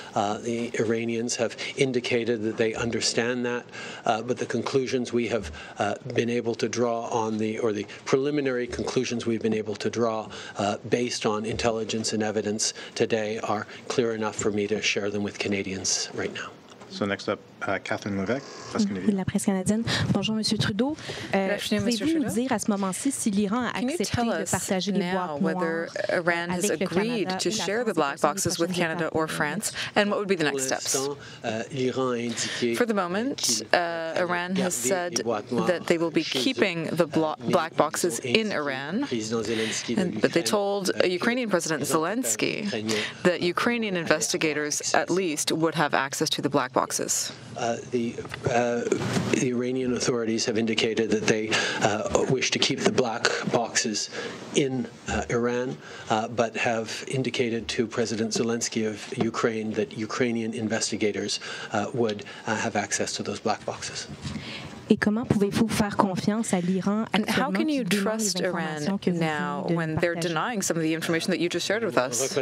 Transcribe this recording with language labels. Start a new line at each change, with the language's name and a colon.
English: The Iranians have indicated that they understand that, but the conclusions we have been able to draw on the, or the preliminary conclusions we've been able to draw based on intelligence and evidence today are clear enough for me to share them with Canadians right now. So next up, Catherine Levesque,
French: La Presse canadienne. Bonjour, Monsieur Trudeau. Pouvez-vous nous dire à ce moment-ci si l'Iran a accepté de partager les boîtes noires
English: Iran has agreed to share the black boxes with Canada or France, and what would be the next steps? For the moment, Iran has said that they will be keeping the black boxes in Iran, but they told Ukrainian President Zelensky that Ukrainian investigators at least would have access to the black boxes. The Iranian authorities have indicated that they wish to keep the black boxes in Iran, but have indicated to President Zelensky of Ukraine that Ukrainian investigators would have access to those black boxes.
French: Et comment pouvez-vous faire confiance à l'Iran actuellement?
English: And how can you trust Iran now when they're denying some of the information that you just shared with us?